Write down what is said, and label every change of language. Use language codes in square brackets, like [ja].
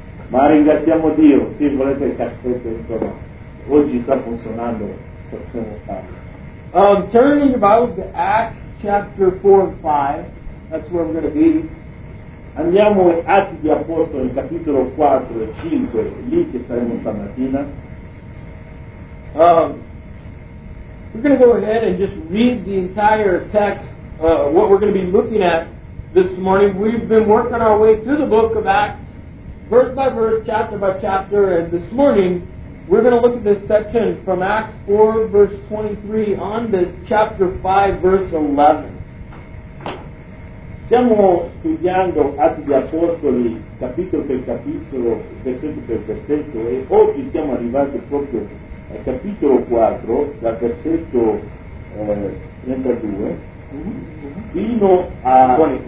[it] Ma ringraziamo Dio, se volete il cassetto, insomma, oggi sta funzionando, possiamo farlo. [en] Turning about the Acts chapter 4 and 5, that's where we're going to be. [it] Andiamo in Atti di Apostoli, capitolo 4 e 5, lì che saremo stamattina. [en] We're going to go ahead and just read the entire text, what we're going to be looking at this morning. We've been working our way through the book of Acts, verse by verse, chapter by chapter, and this morning we're going to look at this section from Acts 4, verse 23, on to chapter 5, verse 11. [it] Stiamo studiando Atti di Apostoli, capitolo, versetto per versetto, e oggi siamo arrivati proprio al capitolo 4, dal versetto 32, fino a...